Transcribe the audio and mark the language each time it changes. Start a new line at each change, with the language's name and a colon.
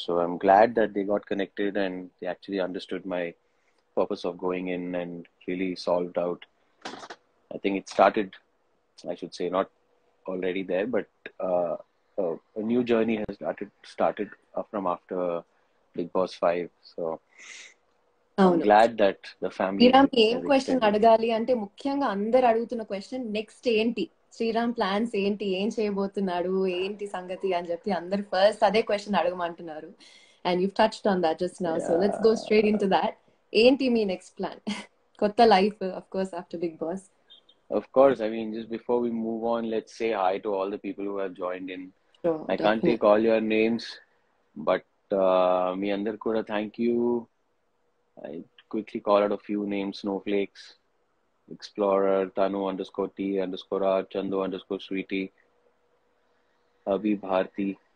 English: So I'm glad that they got connected and they actually understood my purpose of going in and really solved out. I think it started, I should say, not already there, but a new journey has started from after Big Boss 5. So glad that the family.
Telugu: Sriram, ఏం question అడగాలి అంటే ముఖ్యంగా అందరు అడుగుతున్న question next ఏంటి Sriram plans ఏంటి, ఏం చేయబోతున్నాడు, ఏంటి సంగతి అని చెప్పి అందరు ఫస్ట్ అదే question అడగమంటున్నారు.
English: And you touched on that just now, so let's go straight into that.
Telugu: ఏంటి మీ నెక్స్ట్ ప్లాన్, కొత్త life
English: Of course after big boss? Of course, I mean, just before we move on, let's say hi to all the people who have joined in. Sure, I can't take all your names, but
Telugu: me andar kuda
English: thank you. I quickly call out a few names: Snowflakes, Explorer, Tanu underscore T underscore R, Chandu underscore Sweetie, Abhi Bharti.